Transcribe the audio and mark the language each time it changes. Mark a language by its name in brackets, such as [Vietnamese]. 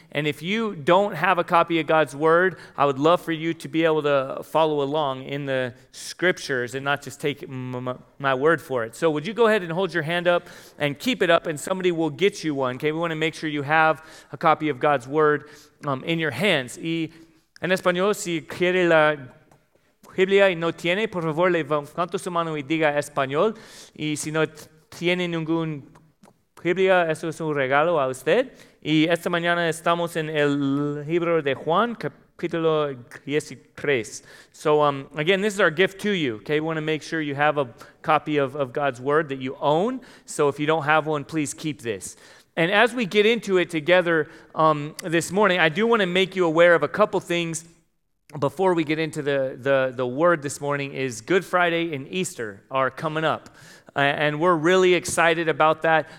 [English] And if you don't have a copy of God's word, I would love for you to be able to follow along in the scriptures and not just take my word for it. So would you go ahead and hold your hand up and keep it up, and somebody will get you one, okay? We want to make sure you have a copy of God's word in your hands. [Spanish] Y en español, si quiere la Biblia y no tiene, por favor, levanta su mano y diga español. Y si no tiene ningún Biblia, eso es un regalo a usted. Y esta mañana estamos en el libro de Juan, capítulo 13. [English] So, again, this is our gift to you, okay? We want to make sure you have a copy of God's word that you own. So if you don't have one, please keep this. And as we get into it together this morning, I do want to make you aware of a couple things. Before we get into the word this morning, is Good Friday and Easter are coming up, and we're really excited about that.